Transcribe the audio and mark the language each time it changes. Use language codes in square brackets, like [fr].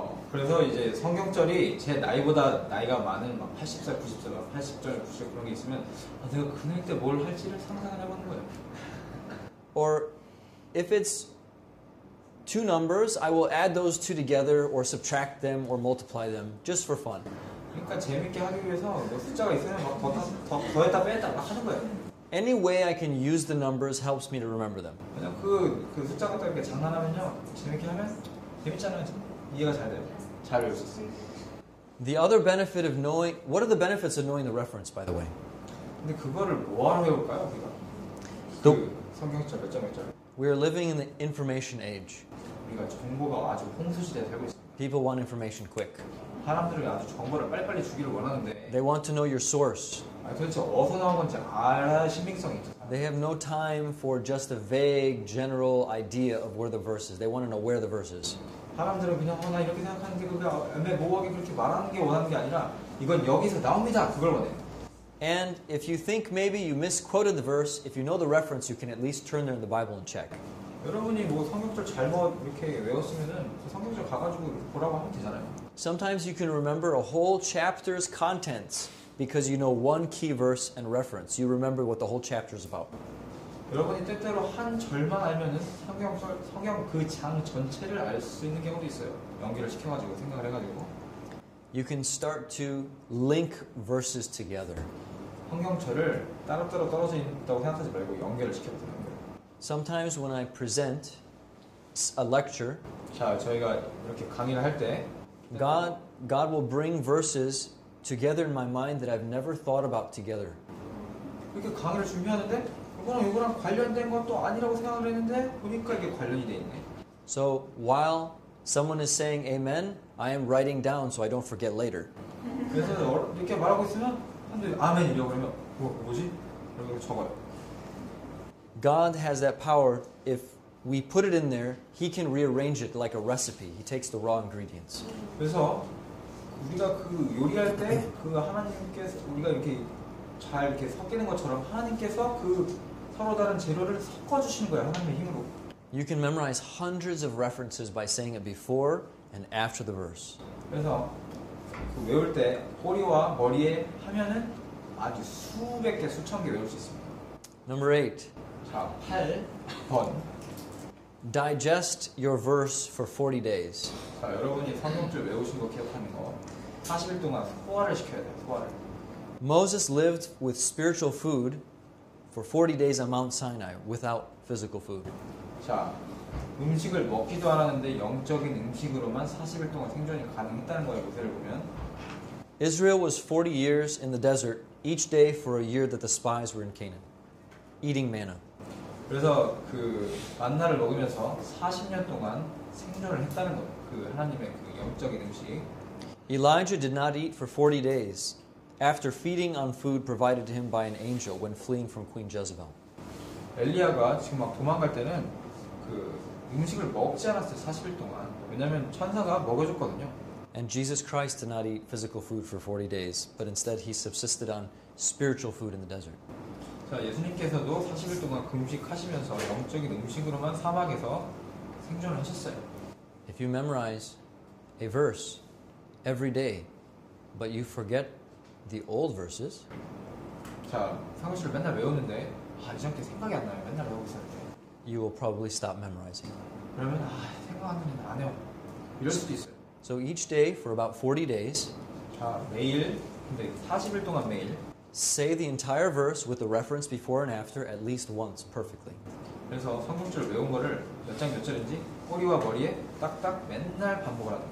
[ko] 그래서 이제 성경절이 제 나이보다 나이가 많은 막 80살, 90살, 막 80절, 90절 그런 게 있으면 아, 내가 그 나이 때 뭘 할지를 상상을 해 보는 거예요. [en] Or if it's two numbers, I will add those two together or subtract them or multiply them just for fun. [ko] 그러니까 재밌게 하기 위해서 뭐 숫자가 있으면 막 더했다 뺐다 막 하는 거예요. [en] Any way I can use the numbers helps me to remember them. [ko] 그냥 그 숫자 갖다 이렇게 장난하면요. 재밌게 하면 재밌잖아요. 이해가 잘 돼요. 잘 외울 수 있어요. [en] The other benefit of knowing, what are the benefits of knowing the reference, by the way? [ko] 근데 그거를 뭐하러 해볼까요, 우리가? 성경절 몇 장 몇 장. [en] We are living in the information age. [ko] 우리가 정보가 아주 홍수시대에 살고 있어요. [en] People want information quick. [ko] 사람들이 아주 정보를 빨리빨리 주기를 원하는데. [en] They want to know your source. [ko] 아니, 도대체 어디서 나온 건지 알아야 신빙성이 있죠. [en] They have no time for just a vague general idea of where the verse is. They want to know where the verse is. [ko] 사람들은 그냥 나 이렇게 생각하는 게 그게 애매모호하게 그렇게 말하는 게 원하는 게 아니라 이건 여기서 나옵니다. 그걸 원해. [en] And if you think maybe you misquoted the verse, if you know the reference, you can at least turn there in the Bible and check. [ko] 여러분이 뭐 성경절 잘못 이렇게 외웠으면은 성경절 가가지고 보라고 하면 되잖아요. [en] Sometimes you can remember a whole chapter's contents because you know one key verse and reference. You remember what the whole chapter is about. [ko] 여러분이 때때로 한 절만 알면은 성경 그 장 전체를 알 수 있는 경우도 있어요. 연결을 시켜가지고 생각을 해가지고. [en] You can start to link verses together. [ko] 환경절을 따로따로 떨어져 있다고 생각하지 말고 연결을 시켜보세요. [en] Sometimes when I present a lecture, [ko] 자, 저희가 이렇게 강의를 할 때, [en] God will bring verses together in my mind that I've never thought about together. [ko] 이렇게 강의를 준비하는데 이거랑 이거랑 관련된 것도 아니라고 생각을 했는데 보니까 이게 관련이 돼 있네. [en] So while someone is saying amen, I am writing down so I don't forget later. [ko] 그래서 이렇게 말하고 있으면 근데 아멘이라고 그러면 뭐지? 이렇게 적어요. [en] God has that power. If we put it in there, He can rearrange it like a recipe. He takes the raw ingredients. [ko] 그래서 우리가 그 요리할 때 그 하나님께서 우리가 이렇게 잘 이렇게 섞이는 것처럼 하나님께서 그 서로 다른 재료를 섞어 주시는 거야 하나님의 힘으로. [en] You can memorize hundreds of references by saying it before and after the verse. [ko] 그래서 그 외울 때 꼬리와 머리에 하면은 아주 수백 개, 수천 개 외울 수 있습니다. [en] Number 8. [ko] 자, 8. 번. [en] Digest your verse for 40 days. [ko] 자, 여러분이 성경절 외우신 거 기억하는 거 40일 동안 소화를 시켜야 돼요, 소화를. [en] Moses lived with spiritual food for 40 days on Mount Sinai without physical food. [ko] 자, 음식을 먹기도 않았는데 영적인 음식으로만 40일 동안 생존이 가능했다는 거예요, 요새를 보면. [en] Israel was 40 years in the desert, each day for a year that the spies were in Canaan, eating manna. [ko] 그래서 그 만나를 먹으면서 40년 동안 생존을 했다는 거예요, 그 하나님의 그 영적인 음식. [en] Elijah did not eat for 40 days after feeding on food provided to him by an angel when fleeing from Queen Jezebel. [ko] 엘리야가 지금 막 도망갈 때는 그 음식을 먹지 않았어요, 40일 동안. 왜냐면 천사가 먹여줬거든요. [en] And Jesus Christ did not eat physical food for 40 days, but instead he subsisted on spiritual food in the desert. [ko] 자, 예수님께서도 40일 동안 금식하시면서 영적인 음식으로만 사막에서 생존하셨어요. [en] If you memorize a verse every day, but you forget the old verses. [ko] 자, 성경을 맨날 외우는데 아, 이상하게 생각이 안 나요. 맨날 외우고 있을 때. [en] You will probably stop memorizing. [ko] 그러면 아, 생각하는 게 안 해요. 이럴 수도 있어요. [en] So each day for about 40 days. [ko] 자, 매일 근데 40일 동안 매일 [en] say the entire verse with the reference before and after at least once perfectly. [ko] 그래서 성경절 외운 거를 몇 장 몇 절인지 꼬리와 머리에 딱딱 맨날 반복을 하는 거예요.